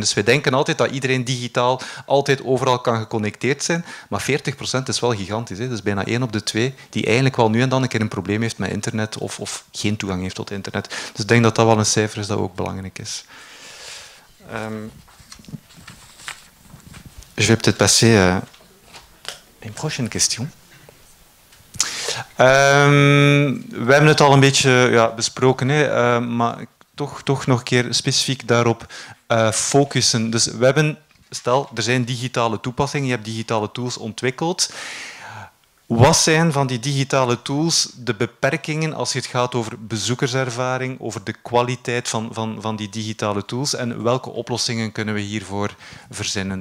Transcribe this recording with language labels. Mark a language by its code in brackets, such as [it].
[nl] Dus wij denken altijd dat iedereen digitaal altijd overal kan geconnecteerd zijn. Maar 40% is wel gigantisch. Hè? Dus bijna 1 op de 2 die eigenlijk wel nu en dan een keer een probleem heeft met internet of geen toegang heeft tot internet. Dus ik denk dat dat wel een cijfer is dat ook belangrijk is. [fr] Je vais peut-être passer à une prochaine question. [nl] We hebben het al een beetje besproken, hè, maar toch nog een keer specifiek daarop focussen. Dus we hebben, stel, er zijn digitale toepassingen, je hebt digitale tools ontwikkeld. Wat zijn van die digitale tools de beperkingen als het gaat over bezoekerservaring, over de kwaliteit van die digitale tools, en welke oplossingen kunnen we hiervoor verzinnen?